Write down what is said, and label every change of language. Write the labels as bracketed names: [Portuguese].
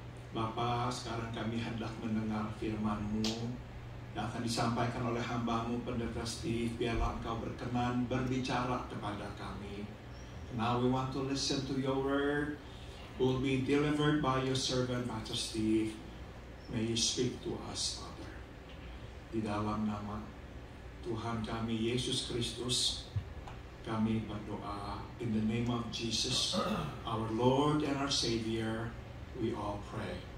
[Indonesian] Bapa, sekarang kami hendak mendengar firman-Mu yang akan disampaikan oleh hamba-Mu, Pendeta Steve. Biarlah Engkau berkenan berbicara kepada kami. [English] Now we want to listen to your word. Will be delivered by your servant, Pastor Steve. May you speak to us, Father. [Indonesian] Di dalam nama Tuhan kami, Yesus Kristus, kami berdoa. [English] In the name of Jesus, our Lord and our Savior, we all pray.